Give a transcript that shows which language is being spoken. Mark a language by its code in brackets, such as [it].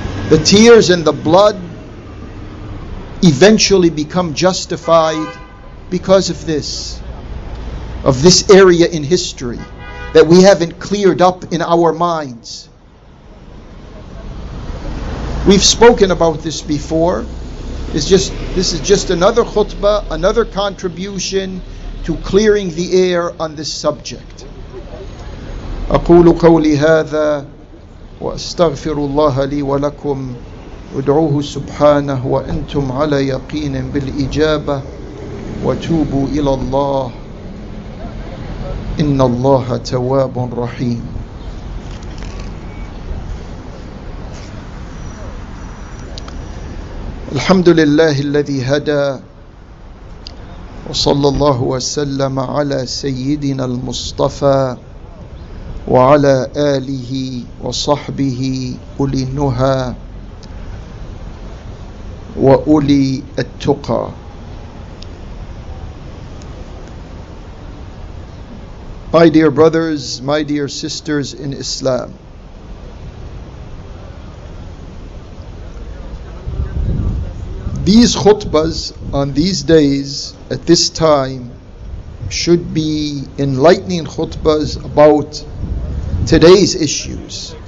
[en] The tears and the blood eventually become justified because of this, area in history that we haven't cleared up in our minds. We've spoken about this before. This is just another khutbah, another contribution to clearing the air on this subject. [ar] أقول قولي هذا وأستغفر الله لي ولكم ادعوه سبحانه وأنتم على يقين بالإجابة وتوبوا إلى الله إن الله تواب رحيم. الحمد لله الذي هدى وصلى الله وسلم على سيدنا المصطفى وعلى آله وصحبه أولي النهى وأولي التقى. [en] My dear brothers, my dear sisters in Islam, these khutbas on these days at this time should be enlightening khutbas about today's issues.